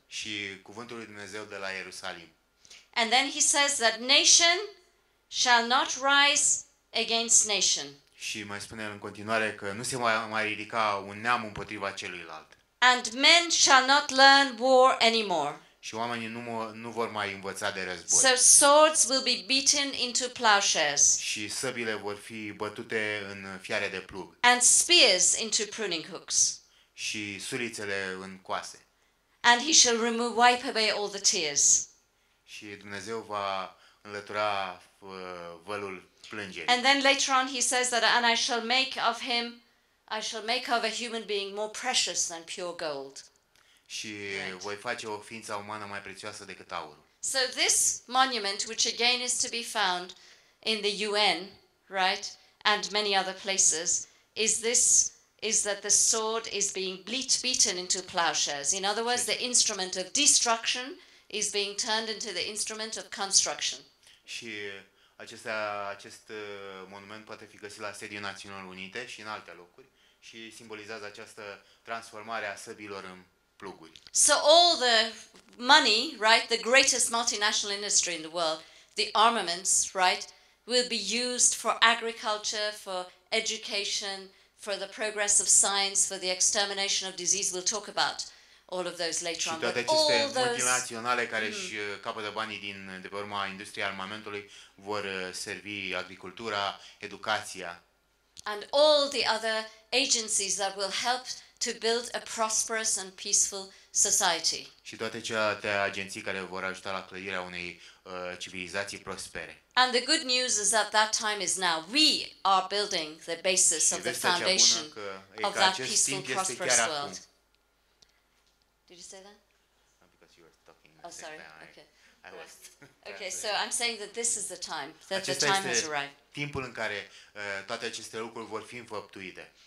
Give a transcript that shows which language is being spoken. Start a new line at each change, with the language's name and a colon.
Romanian: Și cuvântul lui Dumnezeu de la Ierusalim.
English: And then he says that nation shall not rise against nation.
Romanian: Și mai spune el în continuare că nu se mai ridica un neam împotriva celuilalt.
English: And men shall not learn war anymore.
Romanian: Și oamenii nu vor mai învăța de război.
English: So swords will be beaten into plowshares.
Romanian: Și săbile vor fi bătute în fiare de plug.
English: And spears into pruning hooks.
Romanian: Și sulițele în coase.
English: And he shall remove wipe away all the tears.
Romanian: Și Dumnezeu va înlătura vălul plângeri.
English: And then later on he says that and I shall make of him I shall make of a human being more precious than pure gold.
Romanian: Și voi face o ființă umană mai prețioasă decât aurul.
English: So this monument, which again is to be found in the UN, right, and many other places, is that the sword is being beaten into plowshares. In other words, the instrument of destruction is being turned into the instrument of construction.
Romanian: Și acest monument poate fi găsit la sediul Națiunilor Unite și în alte locuri și simbolizează această transformare a săbilor în pluguri.
English: So all the money, right, the greatest multinational industry in the world, the armaments, right, will be used for agriculture, for education, for the progress of science, for the extermination of disease. We'll talk about all of those later on.
Romanian: Și toate aceste multinaționale care își capătă banii din de pe urma industriei armamentului vor servi agricultura, educația.
English: And all the other agencies that will help to build a prosperous and peaceful society.
Romanian: Și toate celelalte agenții care vor ajuta la clădirea unei civilizații prospere.
English: And the good news is that that time is now. We are building the basis of the foundation of that peaceful, prosperous world. Did you say that? No, because you were talking. Oh, sorry. Okay. I was. Okay, so I'm saying that this is the time, that the time has arrived.
Romanian: Timpul în care toate aceste lucruri vor fi înfăptuite.